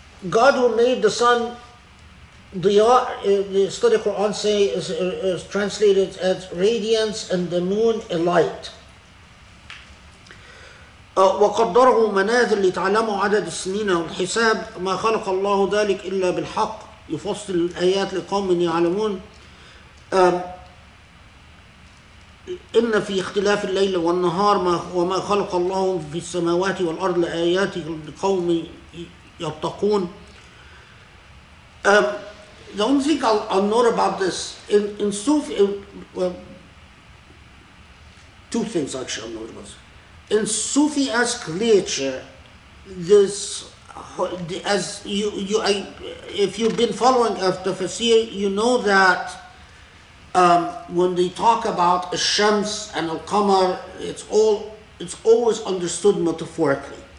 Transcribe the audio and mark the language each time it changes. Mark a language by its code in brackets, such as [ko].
[en] God who made the sun, the study Quran say is translated as radiance and the moon a light. [ar] وقدره منازل لتعلموا عدد السنين والحساب ما خلق الله ذلك إلا بالحق يفصل الآيات لقوم يعلمون إن في اختلاف الليل والنهار وما خلق الله في السماوات والأرض لآيات لقوم يتقون. [en] The only thing I'll note about this in Sufi, two things actually I'll note about this. In Sufi-esque literature, if you've been following after Fasir, you know that when they talk about Ash-Shams and Al-Qamar, it's always understood metaphorically.